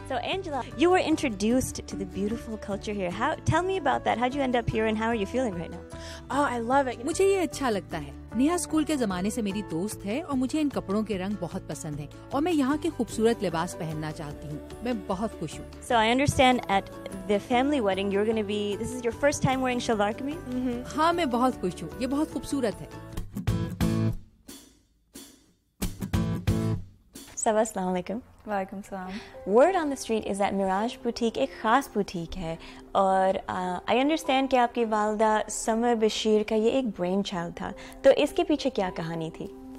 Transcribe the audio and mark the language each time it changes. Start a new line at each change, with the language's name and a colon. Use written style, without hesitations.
English: Angela, you were introduced to the beautiful culture here. How? Tell me about that. How'd you end up here, and how are you feeling right now? Oh, I love it.
Hindi: मुझे ये अच्छा लगता है. Neha school के जमाने से मेरी दोस्त है और मुझे इन कपड़ों के रंग बहुत पसंद हैं और मैं यहाँ के खूबसूरत लिबास पहनना चाहती हूँ. मैं बहुत खुश हूँ.
English: So I understand at the family wedding you're going to be. This is your first time wearing shalwar kameez.
Hindi: हाँ, मैं बहुत खुश हूँ. ये बहुत खूबसूरत है. अस्सलाम वालेकुम. वालेकुम सलाम.
English: word on the street is that
Hindi: Miraj boutique एक खास बुटीक है और
English: I understand
Hindi: कि आपकी वालदा समर बशीर का ये एक ब्रेन चाइल्ड था, तो इसके पीछे क्या कहानी थी?